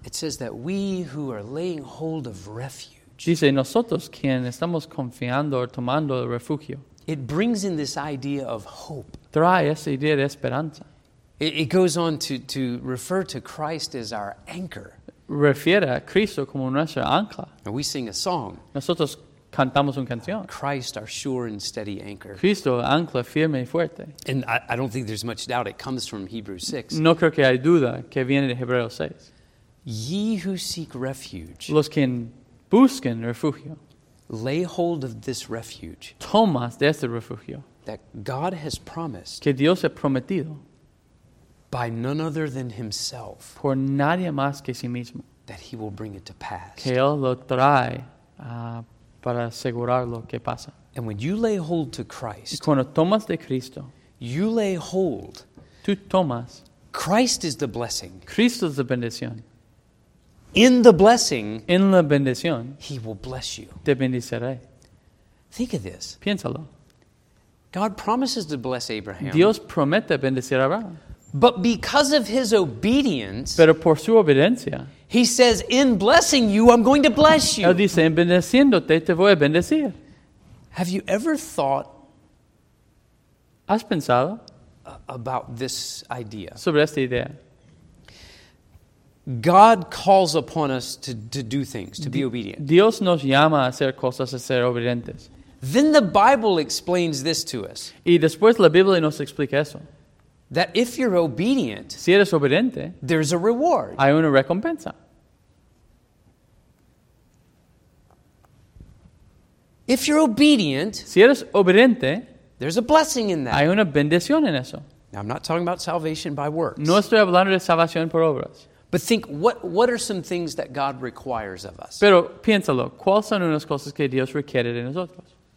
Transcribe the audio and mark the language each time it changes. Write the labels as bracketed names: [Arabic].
[English] It says that we who are laying hold of refuge. [Spanish] Dice, nosotros quien estamos confiando o tomando el refugio. [English] It brings in this idea of hope. [Spanish] Trae esa idea de esperanza. [English] It goes on to refer to Christ as our anchor. [Spanish] Refiere a Cristo como nuestra ancla. [English] And we sing a song. [Spanish] Nosotros cantamos una canción. [English] Christ, our sure and steady anchor. [Spanish] Cristo, ancla firme y fuerte. [English] And I don't think there's much doubt it comes from Hebrews 6. [Spanish] No creo que hay duda que viene de Hebreos 6. [English] Ye who seek refuge. [Spanish] Los que buscan refugio. [English] Lay hold of this refuge. [Spanish] Tomas de este refugio. [English] That God has promised. [Spanish] Que Dios ha prometido. [English] By none other than himself. [Spanish] Por nadie más que sí mismo. [English] That he will bring it to pass. [Spanish] Que él lo trae a para asegurar lo que pasa. [English] And when you lay hold to Christ, [Spanish] y cuando tomas de Cristo, [English] you lay hold, [Spanish] tú tomas, [English] Christ is the blessing. [Spanish] Cristo es la bendición. [English] In the blessing, [Spanish] en la bendición, [English] he will bless you. [Spanish] Te bendiceré. [English] Think of this. [Spanish] Piénsalo. [English] God promises to bless Abraham. [Spanish] Dios promete bendecir a Abraham. [English] But because of his obedience, [Spanish] pero por su obediencia, [English] he says, in blessing you, I'm going to bless you. [Spanish] Él dice, en bendeciéndote, te voy a bendecir. [English] Have you ever thought, [Spanish] has pensado, [English] about this idea? [Spanish] Sobre esta idea. [English] God calls upon us to do things, to be obedient. [Spanish] Dios nos llama a hacer cosas, a ser obedientes. [English] Then the Bible explains this to us. [Spanish] Y después la Biblia nos explica eso. [English] That if you're obedient, [Spanish] si eres obediente, [English] there's a reward. [Spanish] Hay una recompensa. [English] If you're obedient, [Spanish] si eres obediente, [English] there's a blessing in that. [Spanish] Hay una bendición en eso. [English] Now, I'm not talking about salvation by works. [Spanish] No estoy hablando de salvación por obras. [English] But think, what are some things that God requires of us? [Spanish] Pero piénsalo, ¿cuáles son unas cosas que Dios requiere de nosotros?